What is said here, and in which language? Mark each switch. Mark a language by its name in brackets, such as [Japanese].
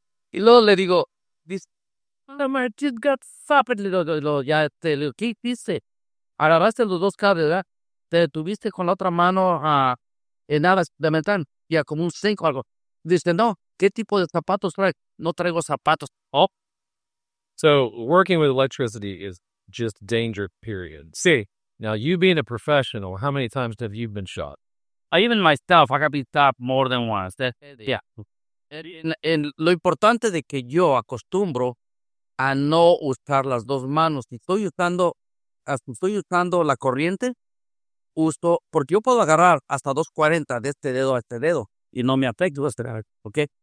[Spanish] Y luego le digo, ¿qué hiciste? Agarraste los dos cables, ¿verdad? Te detuviste con la otra mano en nada de metal, ya como un zinc o algo. Dice, no, ¿qué tipo de zapatos trae? No traigo zapatos. Oh. [English] So, working with electricity is just danger, period. [Spanish] Sí. [English] Now, you being a professional, how many times have you been shot? Even myself, I have been shot more than once. Yeah. [Spanish] En lo importante de que yo acostumbro a no usar las dos manos. Si estoy usando la corriente, uso, porque yo puedo agarrar hasta 240 de este dedo a este dedo y no me afecta, ¿ok?